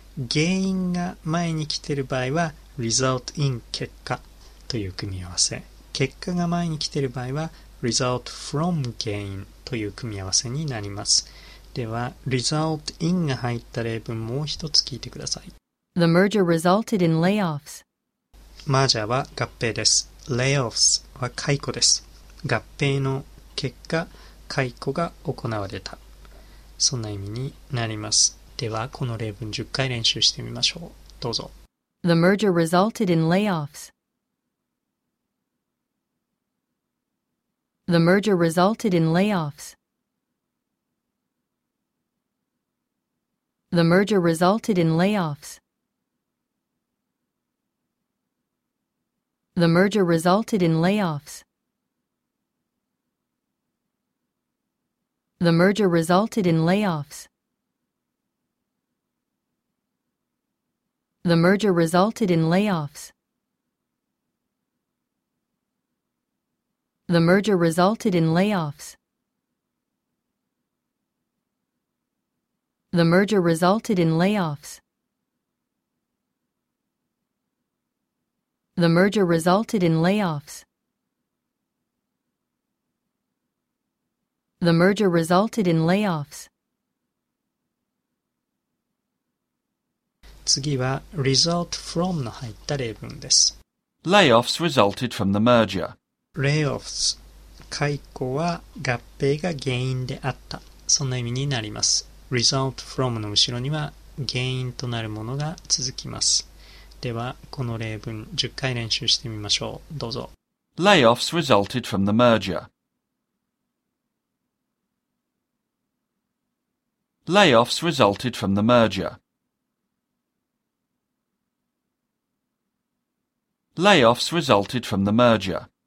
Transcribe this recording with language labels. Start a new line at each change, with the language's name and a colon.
Japanese: 原因が前に来ている場合は、
English: result in
Japanese: 結果という組み合わせ。結果が前に来ている場合は、
English: result from
Japanese: 原因という組み合わせになります。では、
English: result in
Japanese: が入った例文もう一つ聞いてください。
English: The merger resulted in layoffs.
Japanese: マージャーは合併です。layoffs は解雇です。合併の結果、解雇が行われた。そんな意味になります。では、この例文10回練習してみましょう。どうぞ。
English: The merger resulted in layoffs. The merger resulted in layoffs. The merger resulted in layoffs. The merger resulted in layoffs. The merger resulted in layoffs. The merger resulted in layoffs. The merger resulted in layoffs. The merger resulted in layoffs. The merger resulted in layoffs. The merger resulted in layoffs.
Japanese: 次は result from の入った例文です。
English: Layoffs resulted from the merger.
Japanese: layoffs 解雇は合併が原因であった、そんな意味になります。
English: result from
Japanese: の後ろには原因となるものが続きます。ではこの例文10回練習してみましょう。どうぞ。
English: Layoffs resulted from the merger. Layoffs resulted from the merger. Layoffs resulted from the merger.